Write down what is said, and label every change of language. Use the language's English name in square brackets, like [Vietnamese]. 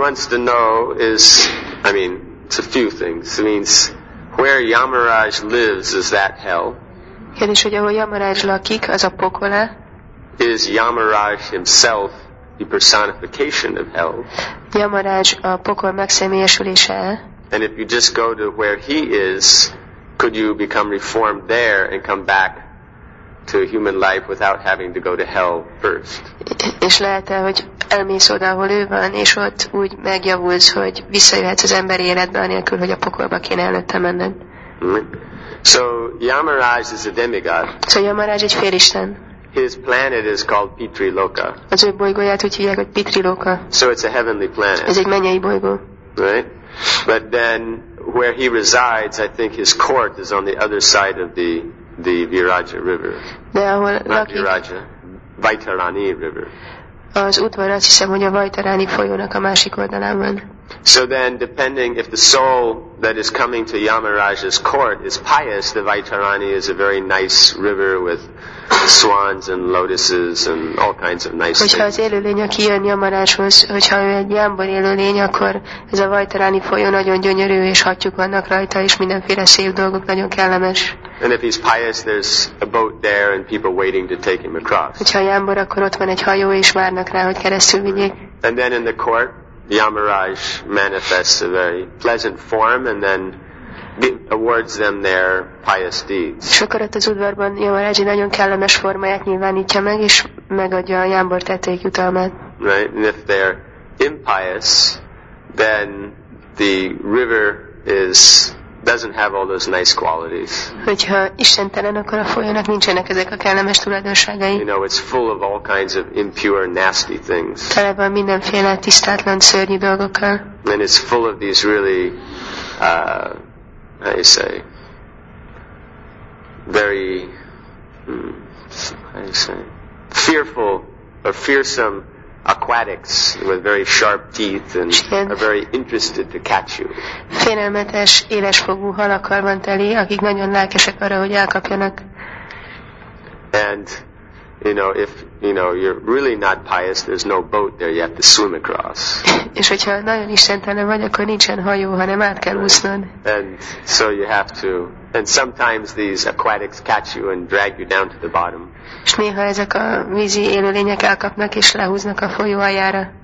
[English] To know is, I mean, it's a few things. It means where Yamaraj lives is that hell. [Hungarian] Kérdés, hogy ahol Yamaraj lakik, az a pokola. [English] Is Yamaraj himself the personification of hell? [Hungarian] Yamaraj a pokol megszemélyesülése. [English] And if you just go to where he is, could you become reformed there and come back to human life without having to go to hell first? [Hungarian] És lehet-e, hogy elmész oda, ahol ő van, és ott úgy megjavulsz, hogy visszajöhetsz az emberi életbe, anélkül, hogy a pokolba kéne előtte menned. [English] Mm-hmm. So Yamaraj is a demigod. [Hungarian] So Yamaraj egy félisten. [English] His planet is called Pitri Loka. [Hungarian] Az ő bolygóját úgy hívják, hogy Pitri Loka. [English] So it's a heavenly planet. [Hungarian] Ez egy mennyei bolygó. [English] Right? But then where he resides, I think his court is on the other side of the Viraja River. [Hungarian] De ahol lakik. Viraja, Vaitarani River. Az udvar, azt hiszem, hogy a Vajtaráni folyónak a másik oldalán van. [English] So then, depending if the soul that is coming to Yamaraj's court is pious, the Vaitarani is a very nice river with swans and lotuses and all kinds of nice [Hungarian] Hogyha az élőlény, aki jön Yamarajhoz, hogyha ő egy jámbor élőlény, akkor ez a Vaitarani folyó nagyon gyönyörű, és hattyúk vannak rajta, és mindenféle szép dolgok, nagyon kellemes. [English] And if he's pious, there's a boat there and people waiting to take him across. [Hungarian] Hogyha jámbor, akkor ott van egy hajó, és várnak rá, hogy keresztül vigyék. [English] And then in the court, Yamaraj manifests a very pleasant form and then awards them their pious deeds. [Hungarian] És akkor ott az udvarban Yamaraj nagyon kellemes formáját nyilvánítja meg, és megadja a jámbor tetteik jutalmát. [English] Right? And if they're impious, then the river doesn't have all those nice qualities. [Hungarian] Hogyha istentelen, akkor a folyónak nincsenek ezek a kellemes tulajdonságai. [English] You know, it's full of all kinds of impure, nasty things. [Hungarian] Tele van mindenféle tisztátlan, szörnyű dolgokkal. [English] And it's full of these really, how do you say, very, how do you say, fearful or fearsome aquatics with very sharp teeth and are very interested to catch you. [Hungarian] Félelmetes, élesfogú halakkal van teli, akik nagyon lelkesek arra, hogy elkapjanak. [English] And You know, if you know you're really not pious, there's no boat there. You have to swim across. [Hungarian] És hogyha nagyon istentelen vagy, akkor nincsen hajó, hanem át kell úsznod. [English] And so you have to. And sometimes these aquatics catch you and drag you down to the bottom. [Hungarian] És néha ezek a vízi élőlények elkapnak és lehúznak a folyó aljára.